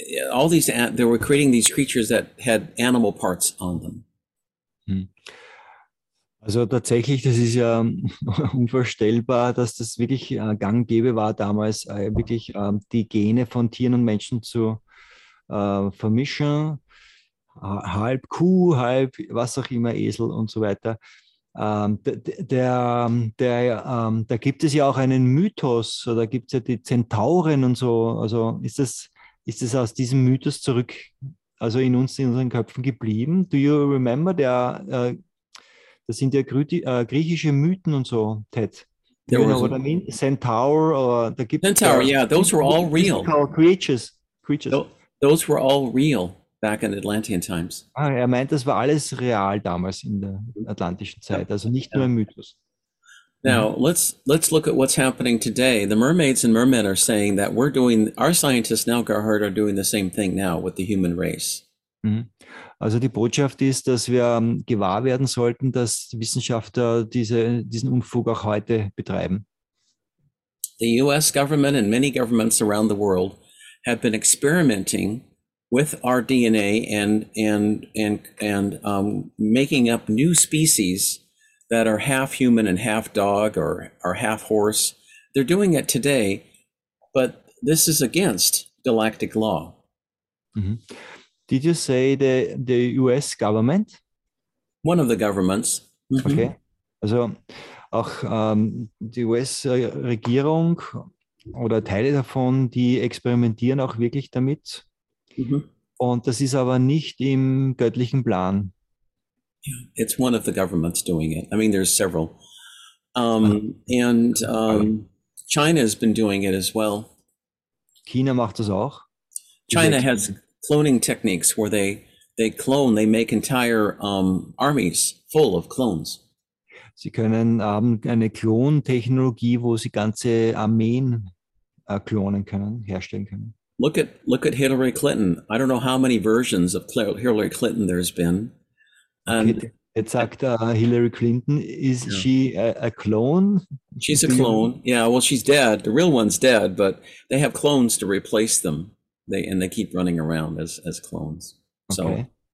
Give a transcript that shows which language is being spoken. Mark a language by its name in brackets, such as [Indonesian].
[English] All these they were creating these creatures that had animal parts on them. Mm-hmm. [German] Also tatsächlich, das ist ja unvorstellbar, dass das wirklich gang und gäbe war, damals wirklich die Gene von Tieren und Menschen zu vermischen. Halb Kuh, halb was auch immer, Esel und so weiter. Da gibt es ja auch einen Mythos, da gibt es ja die Zentauren und so. Also ist das aus diesem Mythos zurück, also in unseren Köpfen geblieben? [English] Do you remember [German] der... Das sind ja griechische Mythen und so, Ted. [English] You know what I mean? Centaur or the Centaur, yeah, those were all real. Creatures. Those were all real back in Atlantean times. [German] Ah, er meint, das war alles real damals in der atlantischen Zeit, also nicht nur ein Mythos. [English] Now, let's look at what's happening today. The mermaids and mermen are saying that we're doing, our scientists now, Gerhard, are doing the same thing now with the human race. Also die Botschaft ist, dass wir gewahr werden sollten, dass Wissenschaftler diesen Unfug auch heute betreiben. The US government and many governments around the world have been experimenting with our DNA and making up new species that are half human and half dog or half horse. They're doing it today, but this is against galactic law. Mm-hmm. Did you say the US government? One of the governments. Mm-hmm. Okay. [German] Also auch die US-Regierung oder Teile davon, die experimentieren auch wirklich damit. Mm-hmm. Und das ist aber nicht im göttlichen Plan. [English] It's one of the governments doing it. I mean, there's several. China has been doing it as well. [German] China macht das auch. [English] China has... cloning techniques where they make entire armies full of clones. [German] Sie können haben eine Klontechnologie, wo sie ganze Armeen klonen können, herstellen können. [English] Look at Hillary Clinton. I don't know how many versions of Hillary Clinton there's been. And [German] jetzt sagt [English] Hillary Clinton, she a clone? She's a clone. Yeah, well, she's dead. The real one's dead, but they have clones to replace them. They keep running around as clones. So, okay.